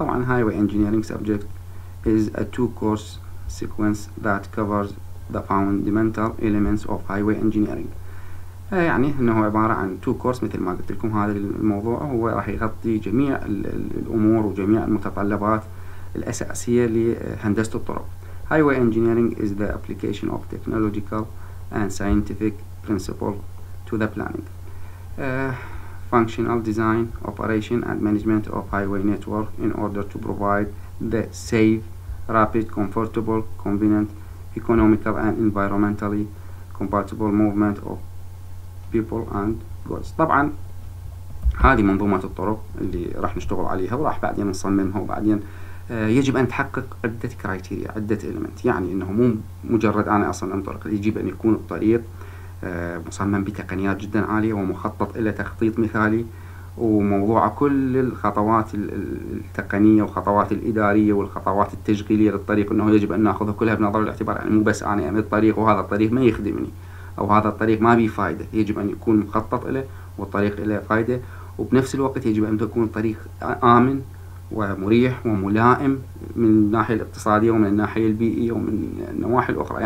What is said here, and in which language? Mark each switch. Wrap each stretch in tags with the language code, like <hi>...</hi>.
<en>طبعا highway engineering subject is a two course sequence that covers the fundamental elements of highway engineering،</en> <ar>يعني انه عبارة عن تو كورس مثل ما قلت لكم. هذا الموضوع هو راح يغطي جميع الامور وجميع المتطلبات الاساسية لهندسة الطرق.</ar> <en>Highway engineering is the application of technological and scientific principle to the planning, functional design, operation and management of highway network in order to provide the safe rapid, comfortable, convenient, economical and environmentally compatible movement of people and goods.</en> <ar>طبعا هذه منظومة الطرق اللي راح نشتغل عليها وراح بعدين نصممها وبعدين يجب أن تحقق عدة كرايتيريا، عدة إلمنت، يعني أنه مو مجرد أنا أصلا أنطرق، يجب أن يكون الطريق مصمم بتقنيات جدا عالية ومخطط إلى تخطيط مثالي، وموضوع كل الخطوات التقنية والخطوات الإدارية والخطوات التشغيلية للطريق أنه يجب أن نأخذها كلها بنظر الاعتبار، يعني مو بس أنا أمد الطريق وهذا الطريق ما يخدمني أو هذا الطريق ما بي فائدة، يجب أن يكون مخطط إليه والطريق إليه فائدة، وبنفس الوقت يجب أن تكون الطريق آمن ومريح وملائم من الناحية الاقتصادية ومن الناحية البيئية ومن النواحي الأخرى.</ar>